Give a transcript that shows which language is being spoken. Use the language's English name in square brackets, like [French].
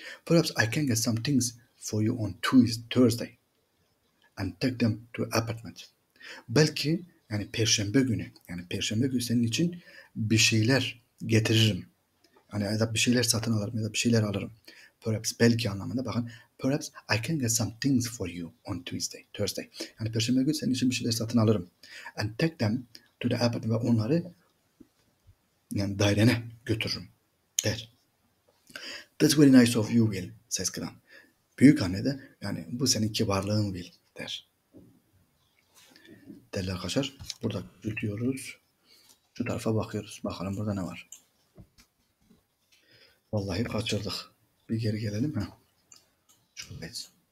[English] Perhaps I can get some things for you on Thursday and take them to apartment. [Turkish] Belki yani perşembe günü, yani perşembe günü senin için bir şeyler getiririm. Yani ya da bir şeyler satın alırım ya da bir şeyler alırım. Perhaps belki anlamında bakın. [English] Perhaps I can get some things for you on Thursday. [Turkish] Yani perşembe günü senin için bir şeyler satın alırım. [English] And take them to the apartment. [Turkish] Ve onları yani dairene götürürüm. Der. [English] That's very nice of you, Will, says Gran. [Turkish] Büyük anne de yani bu senin kibarlığın, Will, der. Değerli arkadaşlar, burada küçültüyoruz. Şu tarafa bakıyoruz. Bakalım burada ne var. Vallahi kaçırdık. Bir geri gelelim. Ha. Şuradayız.